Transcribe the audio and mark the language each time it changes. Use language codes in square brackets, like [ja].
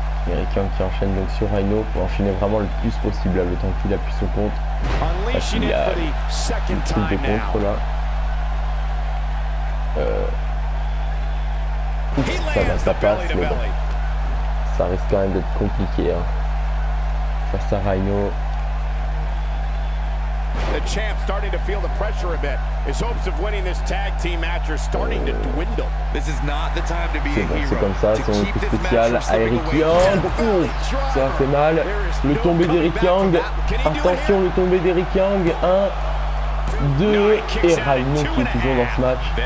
[fr] Eric Young qui enchaîne donc sur Rhino pour enchaîner vraiment le plus possible le temps qu'il appuie son contre. Parce qu'il y a une troupe de contre là. Ça passe, mais bon. Ça risque quand même d'être compliqué. Hein. Face à Rhino. [en] The champ starting to feel the pressure a bit. His hopes of winning this tag team match are starting to dwindle. This is not the time to be a hero. [fr] C'est comme ça, son équipe spéciale à Eric Young. Ça fait mal. Le tombé d'Eric Young. Attention, le tombé d'Eric Young. 1, 2, et Rhino qui est toujours dans ce match.